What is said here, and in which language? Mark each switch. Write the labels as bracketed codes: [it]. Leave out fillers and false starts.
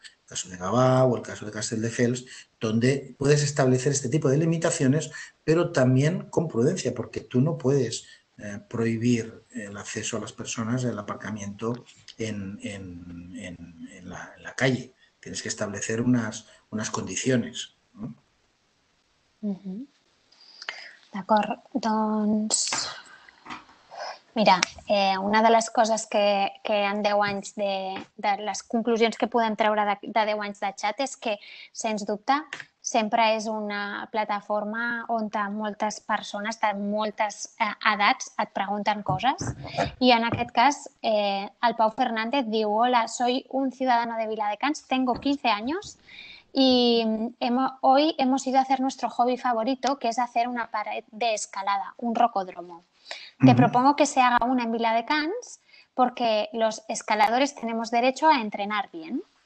[es] El caso de Gavà o el caso de Castelldefels, donde puedes establecer este tipo de limitaciones, pero también con prudencia, porque tú no puedes prohibir el acceso a las personas, el aparcamiento en la calle. Tienes que establecer unas condiciones, ¿no? [ca] D'acord, doncs mira, una de les coses que en 10 anys de les conclusions que podem treure de 10 anys de xat és que, sens dubte, sempre és una plataforma on moltes persones de moltes edats et pregunten coses. I en aquest cas, el Pau Fernández diu: [es] "Hola, soy un ciudadano de Viladecans, tengo 15 años y hoy hemos ido a hacer nuestro hobby favorito, que es hacer una pared de escalada, un rocódromo. Te propongo que se haga una en Viladecans porque los escaladores tenemos derecho a entrenar bien".